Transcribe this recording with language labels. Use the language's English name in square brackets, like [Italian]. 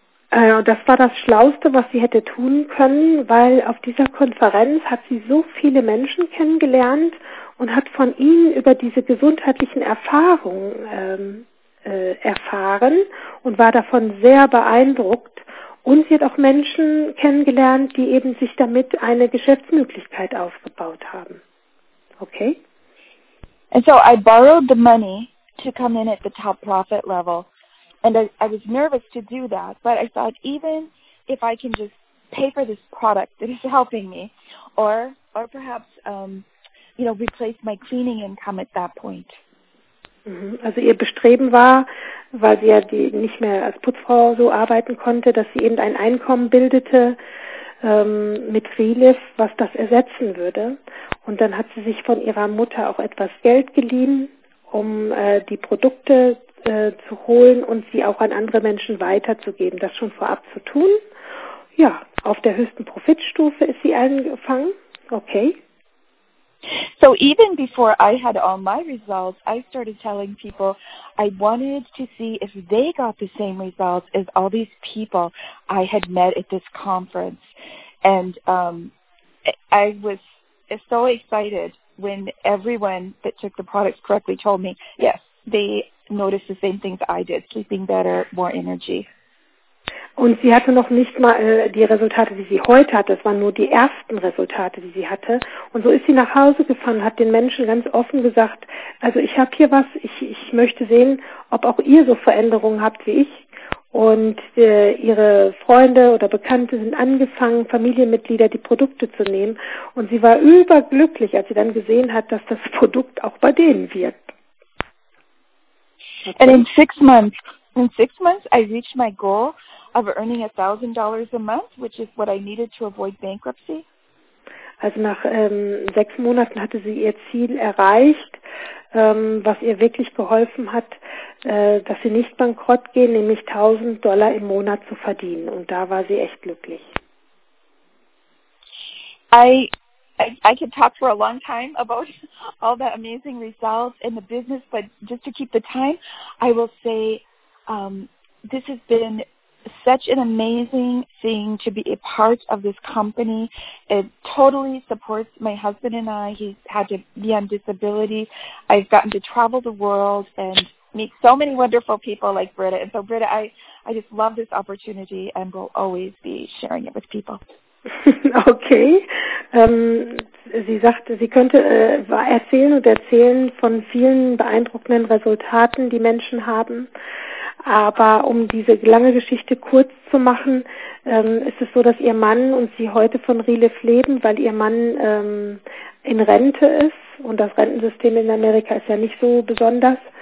[German] Das war das Schlauste, was sie hätte tun können, weil auf dieser Konferenz hat sie so viele Menschen kennengelernt und hat von ihnen über diese gesundheitlichen Erfahrungen erfahren und war davon sehr beeindruckt. Und sie hat auch Menschen kennengelernt, die eben sich damit eine Geschäftsmöglichkeit aufgebaut haben. Okay? [English] And so I borrowed the money to come in at the top profit level. And I was nervous to do that, but I thought, even if I can just pay for this product that is helping me, or perhaps, you know, replace my cleaning income at that point. [German] Also ihr Bestreben war, weil sie ja die nicht mehr als Putzfrau so arbeiten konnte, dass sie eben ein Einkommen bildete mit Relief, was das ersetzen würde. Und dann hat sie sich von ihrer Mutter auch etwas Geld geliehen, um die Produkte zu holen und sie auch an andere Menschen weiterzugeben, das schon vorab zu tun. Ja, auf der höchsten Profitstufe ist sie angefangen. [English] Okay. So even before I had all my results, I started telling people I wanted to see if they got the same results as all these people I had met at this conference. And I was so excited when everyone that took the products correctly told me, yes, they noticed the same things I did, sleeping better, more energy. [German] Und sie hatte noch nicht mal die Resultate, die sie heute hat. Das waren nur die ersten Resultate, die sie hatte. Und so ist sie nach Hause gefahren, hat den Menschen ganz offen gesagt, also ich habe hier was, ich möchte sehen, ob auch ihr so Veränderungen habt wie ich. Und ihre Freunde oder Bekannte sind angefangen, Familienmitglieder die Produkte zu nehmen. Und sie war überglücklich, als sie dann gesehen hat, dass das Produkt auch bei denen wirkt. [English] And in six months I reached my goal of earning $1,000 a month, which is what I needed to avoid bankruptcy. [German] Also nach 6 Monaten hatte sie ihr Ziel erreicht, was ihr wirklich geholfen hat, dass sie nicht bankrott gehen, nämlich $1,000 im Monat zu verdienen. Und da war sie echt glücklich. [English] I could talk for a long time about all the amazing results in the business, but just to keep the time, I will say this has been such an amazing thing to be a part of this company. It totally supports my husband and I. He's had to be on disability. I've gotten to travel the world and meet so many wonderful people like Britta. And so, Britta, I just love this opportunity and will always be sharing it with people. Okay. [German] Sie sagte, sie könnte erzählen und erzählen von vielen beeindruckenden Resultaten, die Menschen haben. Aber um diese lange Geschichte kurz zu machen, ist es so, dass ihr Mann und sie heute von Relief leben, weil ihr Mann in Rente ist und das Rentensystem in Amerika ist ja nicht so besonders.